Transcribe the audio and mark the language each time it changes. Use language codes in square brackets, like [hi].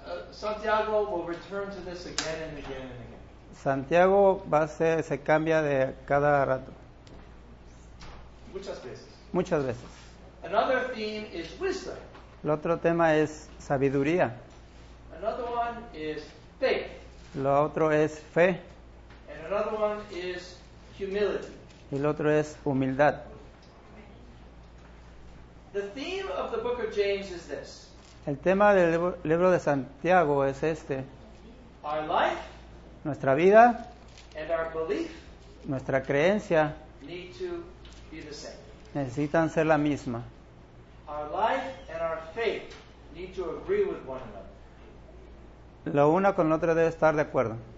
[en] Santiago will return to this again and again and again. [es] Santiago se cambia de cada rato. Muchas veces. Muchas veces. [en] Another theme is wisdom. [es] El otro tema es sabiduría. [en] Another one is faith. [es] Lo otro es fe. [en] And another one is humility. [es] Y el otro es humildad. [en] The theme of the book of James is this. [es] El tema del libro de Santiago es este. [en] Our life, [es] nuestra vida, [en] and our belief, [es] nuestra creencia, [en] need to be the same. [es] Necesitan ser la misma. [en] Our life and our faith need to agree with one another. [es] Lo una con la otra debe estar de acuerdo.